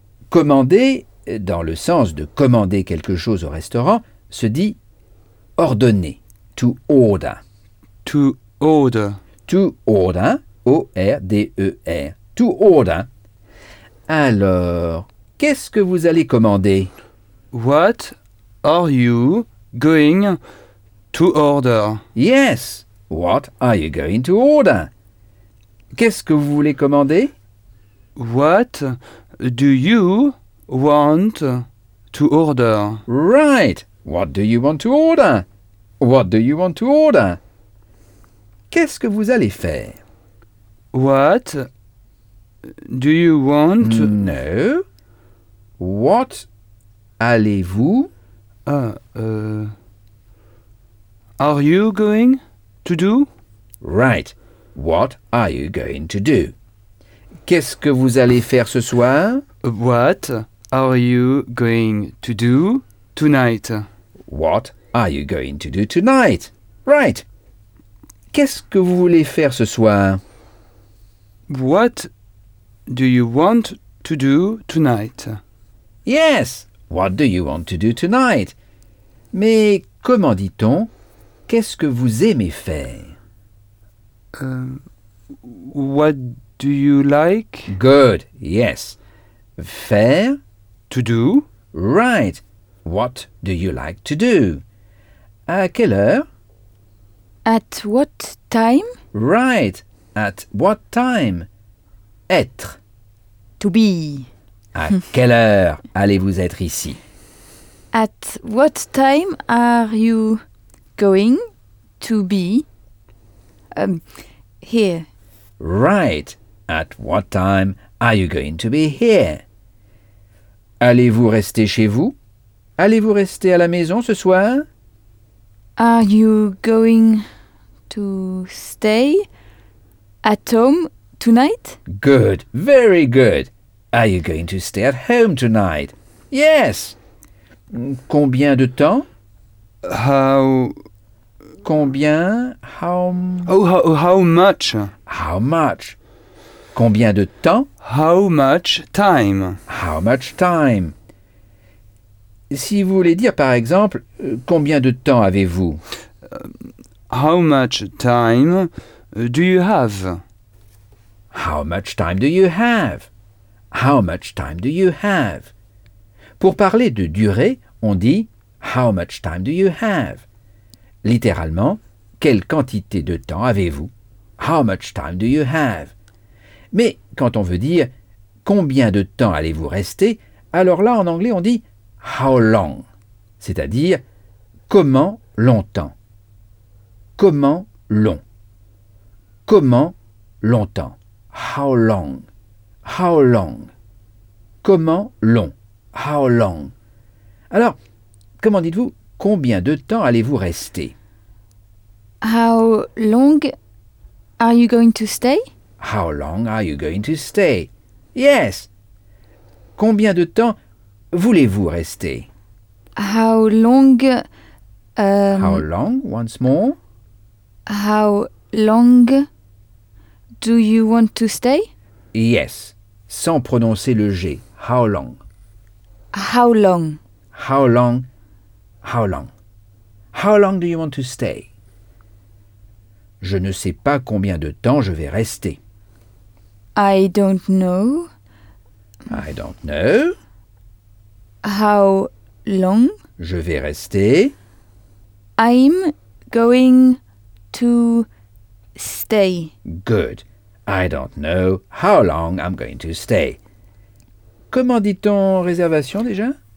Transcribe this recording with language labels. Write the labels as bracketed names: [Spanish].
[French] Commander, dans le sens de commander quelque chose au restaurant, se dit ordonner. [English] To order. To order. To order. O-R-D-E-R. To order. [French] Alors, qu'est-ce que vous allez commander? [English] What are you going to order? Yes. What are you going to order? [French] Qu'est-ce que vous voulez commander? [English] What do you want to order? Right. What do you want to order? What do you want to order? [French] Qu'est-ce que vous allez faire? [English] What do you want to... No. What [French] allez-vous... [English] Are you going to do? Right. What are you going to do? [French] Qu'est-ce que vous allez faire ce soir? [English] What are you going to do tonight? What are you going to do tonight? Right. [French] Qu'est-ce que vous voulez faire ce soir? [English] What do you want to do tonight? Yes. What do you want to do tonight? [French] Mais comment dit-on? Qu'est-ce que vous aimez faire? [English] What do you like? Good. Yes. Faire. To do. Right. What do you like to do? [French] À quelle heure? [English] At what time? Right. At what time? Être. To be. [French] À quelle heure allez-vous être ici? [English] At what time are you going to be here? Right. At what time are you going to be here? [French] Allez-vous rester chez vous? Allez-vous rester à la maison ce soir? [English] Are you going to stay at home tonight? Good. Very good. Are you going to stay at home tonight? [French] Yes. Combien de temps? [English] How... [French] Combien? [English] How much? How much? [French] Combien de temps? [English] How much time? How much time? [French] Si vous voulez dire, par exemple, combien de temps avez-vous? [English] How much time do you have? How much time do you have? How much time do you have? [French] Pour parler de durée, on dit [English] how much time do you have? [French] Littéralement, quelle quantité de temps avez-vous? [English] How much time do you have? [French] Mais quand on veut dire combien de temps allez-vous rester, alors là, en anglais, on dit [English] how long, [French] c'est-à-dire comment longtemps. Comment long. Comment longtemps. [English] How long. How long. [French] Comment long. How long. Alors, comment dites-vous combien de temps allez-vous rester? [English] How long are you going to stay? How long are you going to stay? Yes. [French] Combien de temps voulez-vous rester? [English] How long... How long, once more? How long do you want to stay? [French] Yes. sans prononcer le G. [English] How long? How long? How long? How long? How long do you want to stay? [French] Je ne sais pas combien de temps je vais rester. [English] I don't know. I don't know. How long? [French] Je vais rester. [English] I'm going to stay. Good. I don't know how long I'm going to stay. [French] Comment dit-on réservation déjà?